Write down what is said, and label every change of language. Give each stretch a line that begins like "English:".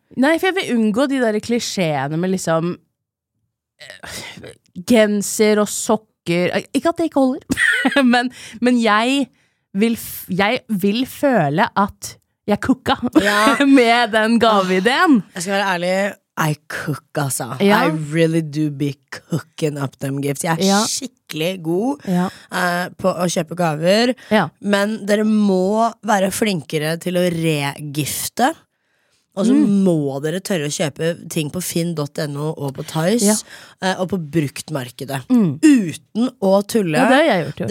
Norwegian: Nei, for jeg vil unngå de der klisjeene med liksom genser og sokker. Ikke at det ikke holder men jeg vil føle at jeg kukka ja. Med den gaveideen. Jeg skal være ærlig,
English: I cook
Norwegian: altså ja.
English: I really do be cooking up them gifts.
Norwegian: Jeg ja. Skikkelig god ja. På å kjøpe gaver ja. Men dere må være flinkere til å regifte. Og så må dere tørre å kjøpe ting på Finn.no og på Tice ja. Og på bruktmarkedet mm. Uten å tulle ja, det har jeg gjort, jo.